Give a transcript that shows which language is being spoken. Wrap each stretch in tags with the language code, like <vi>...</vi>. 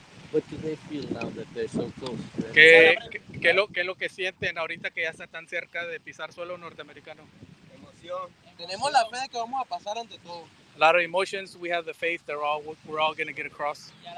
<en>What do they feel now that they're so close?</en> <es>¿Qué es lo que sienten ahorita que ya está tan cerca de pisar suelo norteamericano? Emoción. Tenemos la fe de que vamos a pasar ante todo.</es> <en>A lot of emotions, we have the faith that we're all going to get across.</en>